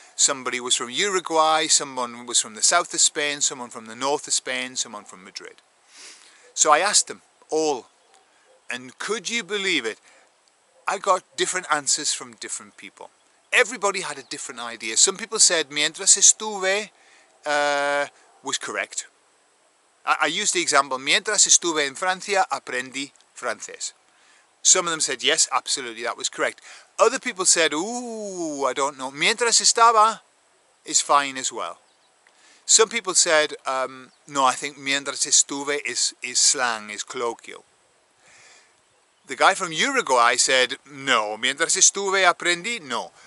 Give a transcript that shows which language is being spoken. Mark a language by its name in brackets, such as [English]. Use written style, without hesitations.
[English] Somebody was from Uruguay, someone was from the south of Spain, someone from the north of Spain, someone from Madrid. So I asked them all, and could you believe it? I got different answers from different people. Everybody had a different idea. Some people said, [Spanish] mientras estuve, [English] was correct. I used the example, [Spanish] mientras estuve en Francia, aprendí francés. [English] Some of them said, yes, absolutely, that was correct. Other people said, ooh, I don't know. [Spanish] Mientras estaba [English] is fine as well. Some people said, no, I think [Spanish] mientras estuve [English] is slang, is colloquial. The guy from Uruguay said, no, [Spanish] mientras estuve aprendí, [English] no.